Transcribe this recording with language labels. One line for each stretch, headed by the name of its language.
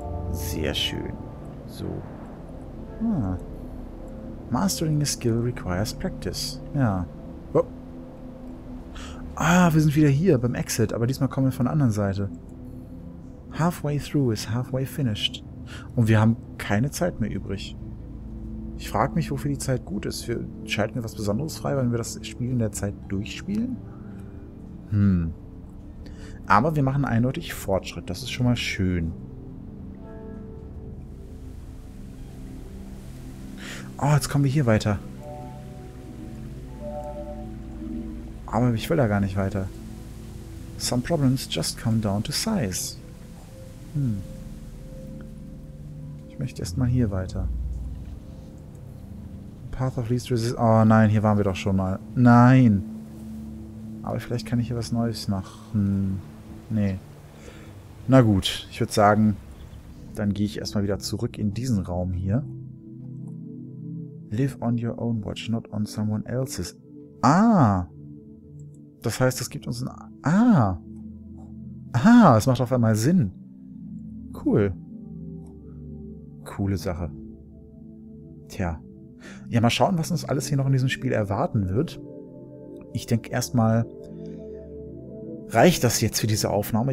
German: Sehr schön. So. Ah.
English: Mastering a skill requires practice.
German: Ja. Ah, wir sind wieder hier beim Exit, aber diesmal kommen wir von der anderen Seite.
English: Halfway through is halfway finished.
German: Und wir haben keine Zeit mehr übrig. Ich frage mich, wofür die Zeit gut ist. Schalten wir was Besonderes frei, wenn wir das Spiel in der Zeit durchspielen? Hm. Aber wir machen eindeutig Fortschritt, das ist schon mal schön. Oh, jetzt kommen wir hier weiter. Aber ich will da gar nicht weiter.
English: Some problems just come down to size. Hm.
German: Ich möchte erstmal hier weiter.
English: Path of least resistance.
German: Oh nein, hier waren wir doch schon mal. Nein. Aber vielleicht kann ich hier was Neues machen. Nee. Na gut, ich würde sagen, dann gehe ich erstmal wieder zurück in diesen Raum hier.
English: Live on your own watch, not on someone else's.
German: Ah! Das heißt, das gibt uns ein... Ah! Aha, es macht auf einmal Sinn. Cool. Coole Sache. Tja. Ja, mal schauen, was uns alles hier noch in diesem Spiel erwarten wird. Ich denke erstmal, reicht das jetzt für diese Aufnahme?